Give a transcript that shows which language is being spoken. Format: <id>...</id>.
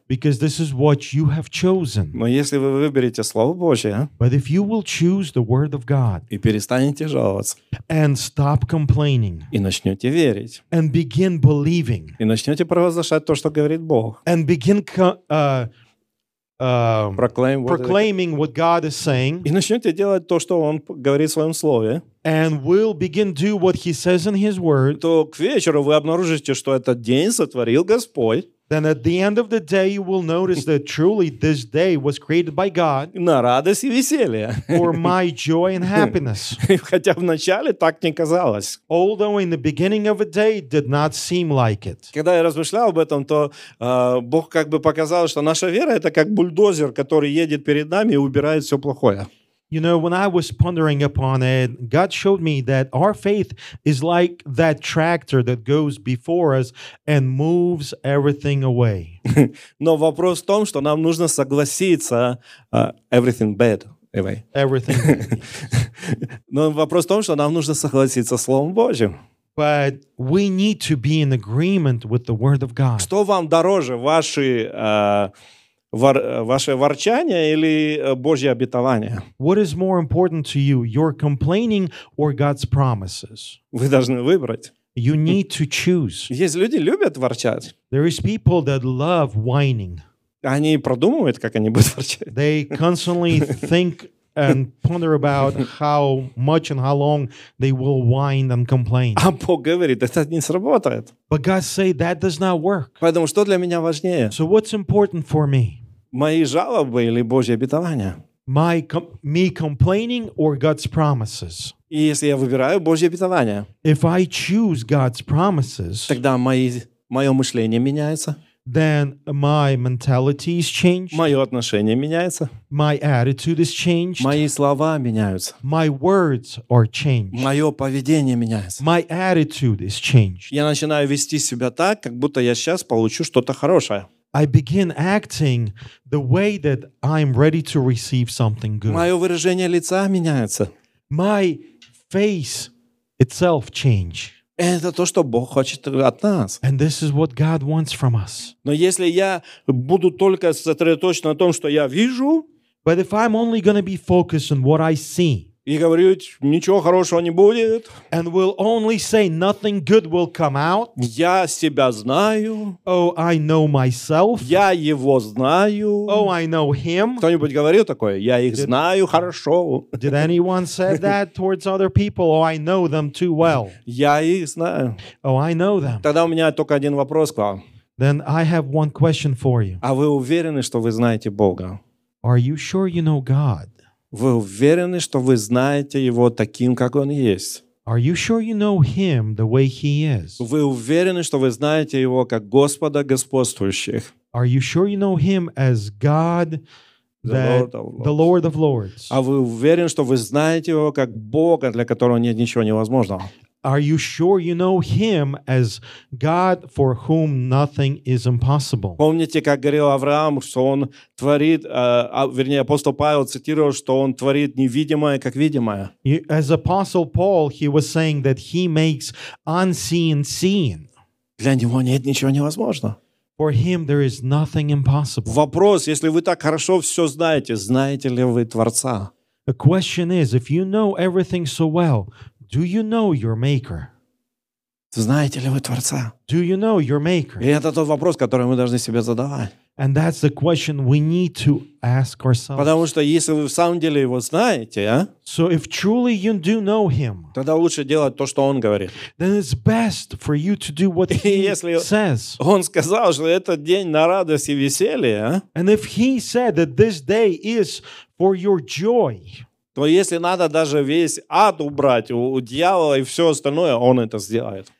<en>Because this is what you have chosen.</en> <ru>Но если вы выберете Слово Божие,</ru> <en>but if you will choose the Word of God,</en> <ru>и перестанете жаловаться,</ru> <en>and stop complaining,</en> <ru>и начнете верить,</ru> <en>and begin believing,</en> <ru>и начнете провозглашать то, что говорит Бог,</ru> <en>and begin proclaiming what God is saying,</en> <ru>и начнете делать то, что Он говорит в Своем Слове,</ru> <en>and will begin do what He says in His Word,</en> <ru>то к вечеру вы обнаружите, что этот день сотворил Господь,</ru> <en>then at the end of the day you will notice that truly this day was created by God</en> <ru>на радость и веселье</ru> <en>for my joy and happiness.</en> <ru>Хотя в начале так не казалось.</ru> <en>Although in the beginning of a day it did not seem like it.</en> <ru>Когда я размышлял об этом, то Бог как бы показал, что наша вера — это как бульдозер, который едет перед нами и убирает все плохое.</ru> <en>You know, when I was pondering upon it, God showed me that our faith is like that tractor that goes before us and moves everything away.</en> <ru>Но вопрос в том, что нам нужно согласиться</ru> <en>everything bad away. Everything.</en> <ru>Но вопрос в том, что нам нужно согласиться с Словом Божьим.</ru> <en>But we need to be in agreement with the Word of God.</en> <ru>Что вам дороже, ваше ворчание или Божье обетование?</ru> <en>What is more important to you, your complaining or God's promises?</en> <ru>Вы должны выбрать.</ru> <en>You need to choose.</en> <ru>Есть люди, любят ворчать.</ru> <en>There is people that love whining.</en> <ru>Они продумывают, как они будут ворчать.</ru> <en>They constantly think and ponder about how much and how long they will whine and complain.</en> <ru>А Бог говорит, это не сработает.</ru> <en>But God say that does not work.</en> <ru>Поэтому что для меня важнее?</ru> <en>So what's important for me?</en> <ru>Мои жалобы или Божьи обетования?</ru> <en>Me complaining or God's promises?</en> <ru>И если я выбираю Божьи обетования,</ru> <en>if I choose God's promises,</en> <ru>тогда мое мышление меняется.</ru> <en>Then my mentality is changed.</en> <ru>Мое отношение меняется.</ru> <en>My attitude is changed.</en> <ru>Мои слова меняются.</ru> <en>My words are changed.</en> <ru>Мое поведение меняется.</ru> <en>My attitude is changed.</en> <ru>Я начинаю вести себя так, как будто я сейчас получу что-то хорошее.</ru> <en>I begin acting the way that I'm ready to receive something good.</en> <ru>Мое выражение лица меняется.</ru> <en>My face itself changes.</en> <ru>Это то, что Бог хочет от нас.</ru> <en>And this is what God wants from us.</en> <ru>Но если я буду только сосредоточен на том, что я вижу,</ru> <en>but if I'm only gonna be focused on what I see,</en> <ru>и говорить, ничего хорошего не будет,</ru> <en>and will only say nothing good will come out,</en> <ru>я себя знаю,</ru> <en>oh, I know myself,</en> <ru>я его знаю,</ru> <en>oh, I know him.</en> <ru>Кто-нибудь говорил такое? Я их знаю хорошо.</ru> <en>Did anyone say that towards other people? Oh, I know them too well.</en> <ru>Я их знаю.</ru> <en>Oh, I know them.</en> <ru>Тогда у меня только один вопрос к вам.</ru> <en>Then I have one question for you.</en> <ru>А вы уверены, что вы знаете Бога?</ru> <en>Are you sure you know God?</en> <ru>Вы уверены, что вы знаете Его таким, как Он есть?</ru> <en>Are you sure you know him the way he is?</en> <ru>Вы уверены, что вы знаете его как Господа господствующих?</ru> <en>Are you sure you know him as God, the Lord of Lords?</en> <ru>А вы уверены, что вы знаете его как Бога, для которого нет ничего невозможного?</ru> <en>Are you sure you know him as God for whom nothing is impossible?</en> <ru>Помните, как говорил Авраам, что он творит, вернее, апостол Павел цитировал, что он творит невидимое, как видимое.</ru> <en>As apostle Paul, he was saying that he makes unseen seen.</en> <ru>Для него нет ничего невозможного.</ru> <en>For him there is nothing impossible.</en> <ru>Вопрос, если вы так хорошо все знаете, знаете ли вы Творца?</ru> <en>The question is, if you know everything so well, do you know your Maker?</en> <ru>Знаете ли вы Творца?</ru> <en>Do you know your Maker?</en> <ru>И это тот вопрос, который мы должны себе задавать.</ru> <en>And that's the question we need to ask ourselves.</en> <ru>Потому что если вы в самом деле его знаете, а?</ru> <en>So if truly you do know him,</en> <ru>тогда лучше делать то, что он говорит.</ru> <en>Then it's best for you to do what he says.</en> <ru>Он сказал, что этот день на радость и веселье, а?</ru> <en>And if he said that this day is for your joy,</en> <ru>то если надо даже весь ад убрать у дьявола и все остальное, он это сделает.</ru>